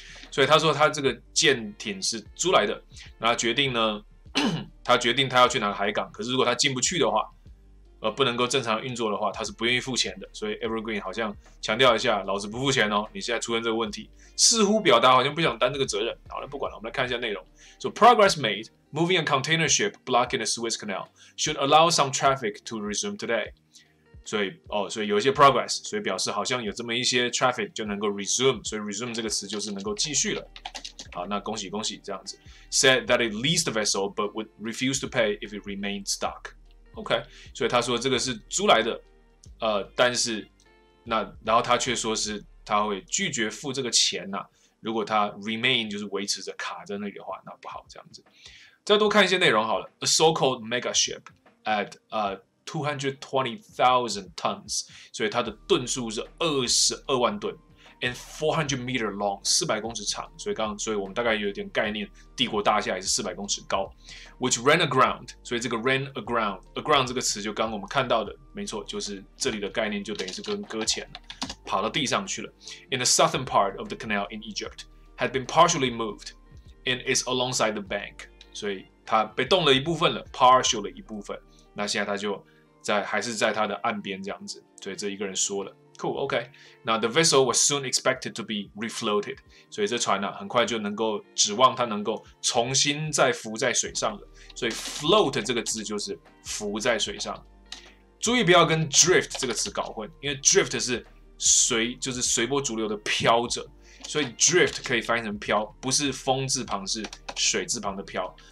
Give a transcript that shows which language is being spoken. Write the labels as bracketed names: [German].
[Chinese] 所以他说他这个舰艇是租来的，那他决定呢，他决定他要去哪个海港。可是如果他进不去的话，不能够正常运作的话，他是不愿意付钱的。所以 Evergreen 好像强调一下，老子不付钱哦，你现在出现这个问题，似乎表达好像不想担这个责任。好，那不管了，我们来看一下内容。 [English] So progress made moving a container ship blocking the Suez Canal should allow some traffic to resume today. [Chinese] 所以有一些 progress， 所以表示好像有这么一些 traffic 就能够 resume， 所以 resume 这个词就是能够继续了。好，那恭喜恭喜这样子。 [English] Said that it leased the vessel but would refuse to pay if it remained stuck. [Chinese] OK， 所以他说这个是租来的，但是那然后他却说是他会拒绝付这个钱呐、啊，如果他 remain 就是维持着卡在那里的话，那不好这样子。再多看一些内容好了 ， [English] a so-called mega ship at 220,000 tons， [Chinese] 所以它的吨数是22万吨 [English] and 400 meter long, [Chinese] 400公尺长。所以我们大概有点概念，帝国大厦也是400公尺高。 [English] Which ran aground, [Chinese] 所以这个 ran aground, aground 这个词就刚刚我们看到的，没错，就是这里的概念就等于是跟搁浅了，跑到地上去了。 [English] In the southern part of the canal in Egypt, had been partially moved, and is alongside the bank. [Chinese] 所以它被动了一部分了 ，partially 一部分。那现在它就在还是在它的岸边这样子，所以这一个人说了。 [English] Cool, okay. Now the vessel was soon expected to be refloated. [Chinese] 所以这船呢、啊，很快就能够指望它能够重新再浮在水上了。所以 float 这个字就是浮在水上。注意不要跟 drift 这个词搞混，因为 drift 是随，就是随波逐流的飘着。所以 drift 可以翻译成飘，不是风字旁，是水字旁的飘。